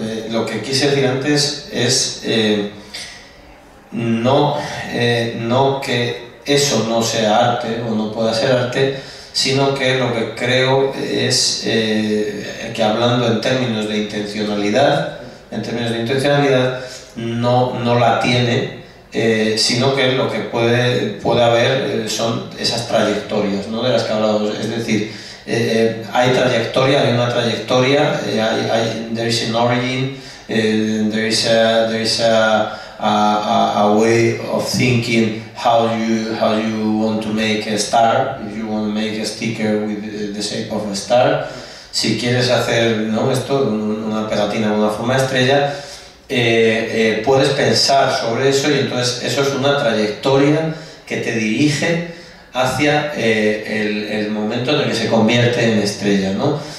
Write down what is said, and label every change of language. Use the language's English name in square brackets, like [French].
[Spanish] Lo que quise decir antes es no que eso no sea arte o no pueda ser arte, sino que lo que creo es que, hablando en términos de intencionalidad, en términos de intencionalidad, no la tiene, sino que lo que puede haber son esas trayectorias, ¿no?, de las que hablamos. Es decir, hay una trayectoria, [English] there is an origin, there is a way of thinking how you want to make a star, if you want to make a sticker with the shape of a star. [Spanish] Si quieres hacer, ¿no?, esto, una pegatina con una forma de estrella, puedes pensar sobre eso, y entonces eso es una trayectoria que te dirige hacia el momento en el que se convierte en estrella, ¿no?